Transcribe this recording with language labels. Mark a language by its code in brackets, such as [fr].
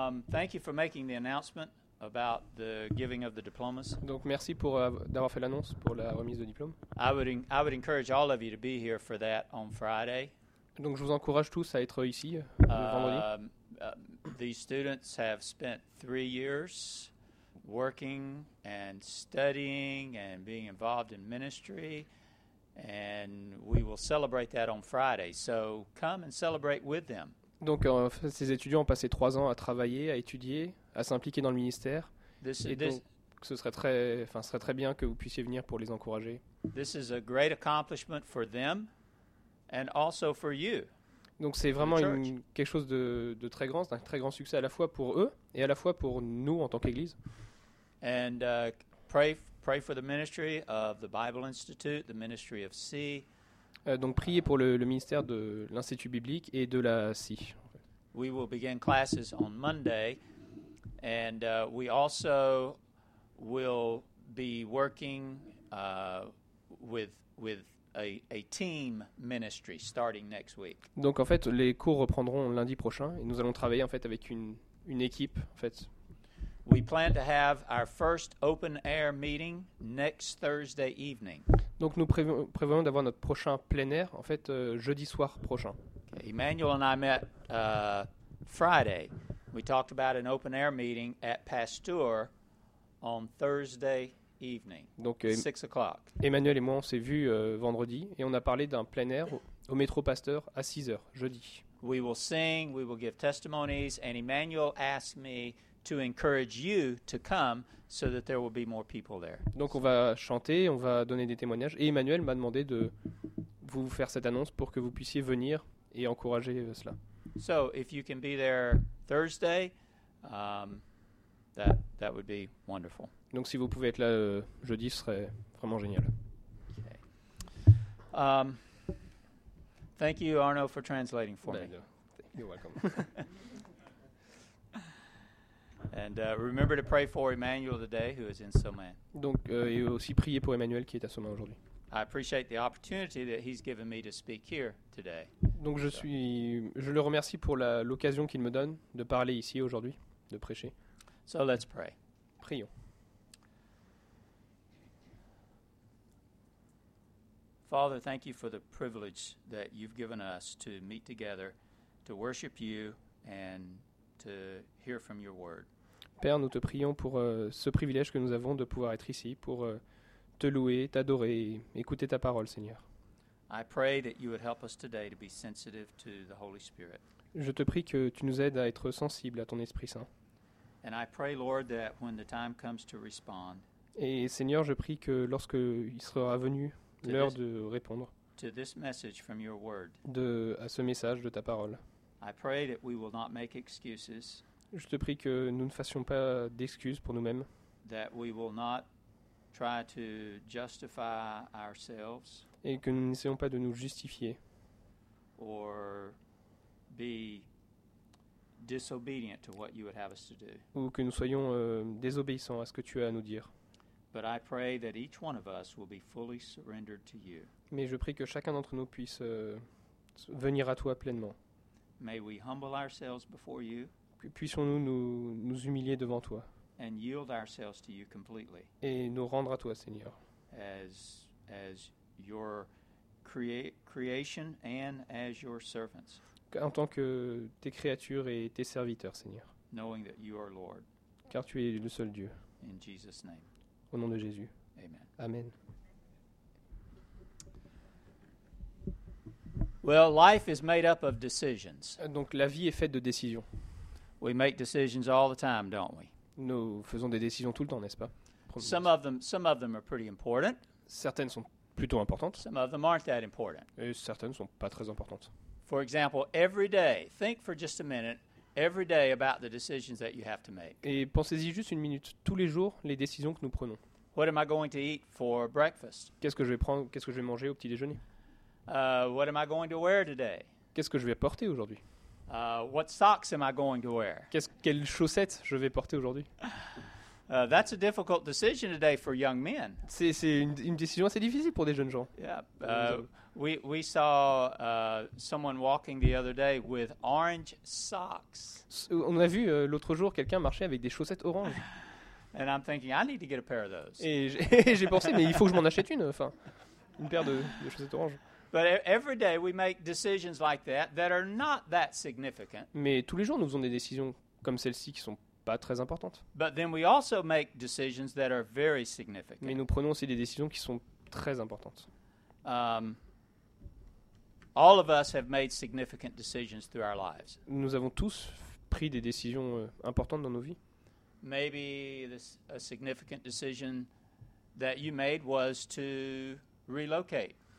[en] Thank you for making the announcement about the giving of the diplomas. [fr] Donc merci pour d'avoir fait l'annonce pour la remise de diplôme. [en] I would encourage all of you to be here for that on Friday. [fr] Donc je vous encourage tous à être ici le vendredi. [en] These students have spent 3 years working and studying and being involved in ministry, and we will celebrate that on Friday. So come and celebrate with them. [fr] Donc, ces étudiants ont passé 3 ans à travailler, à étudier, à s'impliquer dans le ministère. Donc, ce serait très bien que vous puissiez venir pour les encourager. [en] This is a great accomplishment for them and also for you. [fr] Donc, c'est vraiment quelque chose de très grand, c'est un très grand succès à la fois pour eux et à la fois pour nous en tant qu'Église. [en] And pray for the ministry of the Bible Institute, the ministry of C. [fr] Donc, priez pour le ministère de l'Institut biblique et de la CI. [en] We will begin classes on Monday, and we also will be working with a team ministry starting next week. [fr] Donc, en fait, les cours reprendront lundi prochain, et nous allons travailler en fait avec une équipe, en fait. [en] We plan to have our first open air meeting next Thursday evening. [fr] Donc nous prévoyons d'avoir notre prochain plein air en fait jeudi soir prochain. [en] Okay. Emmanuel and I met Friday. We talked about an open air meeting at Pasteur on Thursday evening. [fr] Donc [en] 6 o'clock. [fr] Emmanuel et moi on s'est vu vendredi et on a parlé d'un plein air au métro Pasteur à 6h jeudi. [en] We will sing, we will give testimonies, and Emmanuel asked me to encourage you to come so that there will be more people there. [fr] Donc on va chanter, on va donner des témoignages et Emmanuel m'a demandé de vous faire cette annonce pour que vous puissiez venir et encourager cela. [en] So if you can be there Thursday, that would be wonderful. [fr] Donc si vous pouvez être là jeudi, ce serait vraiment génial. [en] Okay. Thank you Arno for translating for me. You're welcome. And remember to pray for Emmanuel today, who is in Somain. [fr] Donc, et aussi prier pour Emmanuel qui est à Somain aujourd'hui. [en] I appreciate the opportunity that he's given me to speak here today. [fr] Donc, je le remercie pour l'occasion qu'il me donne de parler ici aujourd'hui, de prêcher. [en] So let's pray. [fr] Prions. [en] Father, thank you for the privilege that you've given us to meet together, to worship you, and to hear from your word. [fr] Père, nous te prions pour ce privilège que nous avons de pouvoir être ici, pour te louer, t'adorer, écouter ta parole, Seigneur. [en] I pray that you would help us today to be sensitive to the Holy Spirit. [fr] Je te prie que tu nous aides à être sensibles à ton Esprit Saint. [en] And I pray, Lord, that when the time comes to respond. [fr] Et Seigneur, je prie que lorsque il sera venu l'heure de répondre. [en] To this message from your word. [fr] À ce message de ta parole. [en] I pray that we will not make excuses. [fr] Je te prie que nous ne fassions pas d'excuses pour nous-mêmes. [en] That we will not try to justify ourselves. [fr] Et que nous n'essayons pas de nous justifier. [en] Or be disobedient to what you would have us to do. [fr] Ou que nous soyons désobéissants à ce que tu as à nous dire. [en] But I pray that each one of us will be fully surrendered to you. [fr] Mais je prie que chacun d'entre nous puisse venir à toi pleinement. [en] May we humble ourselves before you. [fr] Puissions-nous nous humilier devant toi [en] and yield ourselves to you completely. [fr] Et nous rendre à toi, Seigneur, [en] as your creation and as your servants. [fr] En tant que tes créatures et tes serviteurs, Seigneur, [en] knowing that you are Lord. [fr] Car tu es le seul Dieu. [en] In Jesus' name. [fr] Au nom de Jésus. [en] Amen. [fr] Amen. [en] Well, life is made up of decisions. [fr] Donc la vie est faite de décisions. [en] We make decisions all the time, don't we? [fr] Nous faisons des décisions tout le temps, n'est-ce pas? [en] Some of them are pretty important. [fr] Certaines sont plutôt importantes. [en] Some of them aren't that important. [fr] Et certaines sont pas très importantes. [en] For example, every day, think for just a minute, every day about the decisions that you have to make. [fr] Et pensez-y juste une minute, tous les jours, les décisions que nous prenons. [en] What am I going to eat for breakfast? [fr] Qu'est-ce que je vais manger au petit-déjeuner? [en] What am I going to wear today? [fr] Qu'est-ce que je vais porter aujourd'hui? [en] What socks am I going to wear? [fr] Quelles chaussettes je vais porter aujourd'hui? [en] That's a difficult decision today for young men. [fr] C'est une décision assez difficile pour des jeunes gens. [en] Yeah. We saw someone walking the other day with orange socks. [fr] On a vu l'autre jour quelqu'un marcher avec des chaussettes orange. [en] And I'm thinking, I need to get a pair of those. [fr] Et j'ai pensé, mais il faut que je m'en achète une paire de chaussettes orange. [en] But every day we make decisions like that that are not that significant. [fr] Mais tous les jours nous faisons des décisions comme celle-ci qui sont pas très importantes. [en] But then we also make decisions that are very significant. [fr] Mais nous prenons aussi des décisions qui sont très importantes. [en] All of us have made significant decisions through our lives. [fr] Nous avons tous pris des décisions importantes dans nos vies. [en] Maybe a significant decision that you made was to relocate.